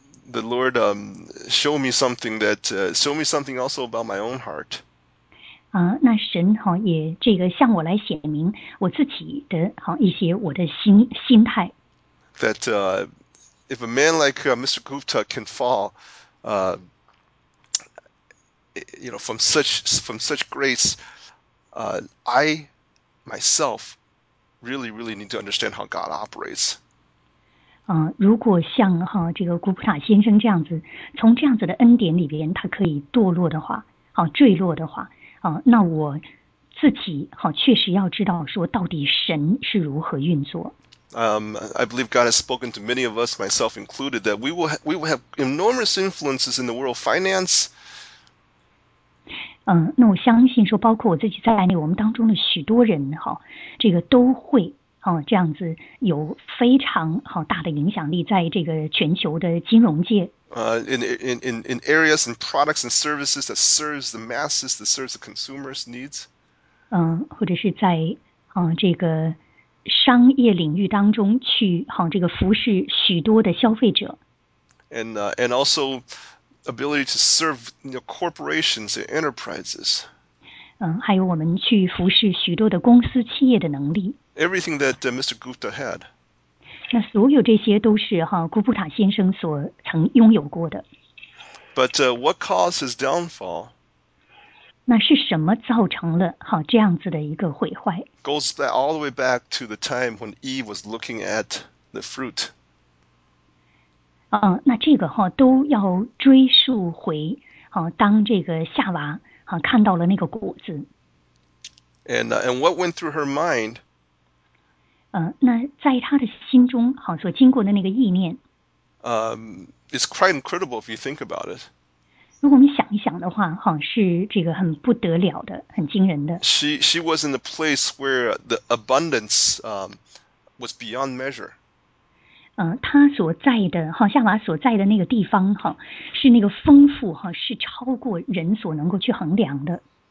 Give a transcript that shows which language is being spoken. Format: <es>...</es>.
<en>The Lord show me something also about my own heart.</en> <zh>那神也这个向我来显明我自己的一些我的心态。</zh> <en>That if a man like Mr. Gupta can fall, from such grace, I myself really really need to understand how God operates.</en> <zh>如果像这个古普塔先生这样子，从这样子的恩典里边，他可以堕落的话，坠落的话，那我自己确实要知道说到底神是如何运作。</zh> <en>I believe God has spoken to many of us, myself included, that we will have enormous influences in the world finance.</en> <zh>那我相信说，包括我自己在内，我们当中的许多人这个都会。这样子有非常大的影响力在这个全球的金融界。</zh> <en>In areas and products and services that serves the masses, that serves the consumers' needs.</en> <zh>或者是在这个商业领域当中去这个服侍许多的消费者。</zh> <en>And also ability to serve corporations and enterprises.</en> <zh>还有我们去服侍许多的公司企业的能力。</zh> <en>Everything that Mr. Gupta had.</en> <zh>那所有这些都是古普塔先生所曾拥有过的。</zh> <en>But what caused his downfall?</en> <zh>那是什么造成了这样子的一个毁坏？</zh> <en>Goes back all the way back to the time when Eve was looking at the fruit.</en> <zh>那这个都要追溯回当这个夏娃看到了那个果子。</zh> <en>And what went through her mind?</en> <zh>那在她的心中所经过的那个意念。</zh> <en>It's quite incredible if you think about it.</en> <zh>如果我们想一想的话是这个很不得了的很惊人的。</zh> <en>She was in a place where the abundance, was beyond measure.</en> <zh>他所在的夏娃所在的那个地方是那个丰富是超过人所能够去衡量的。</zh>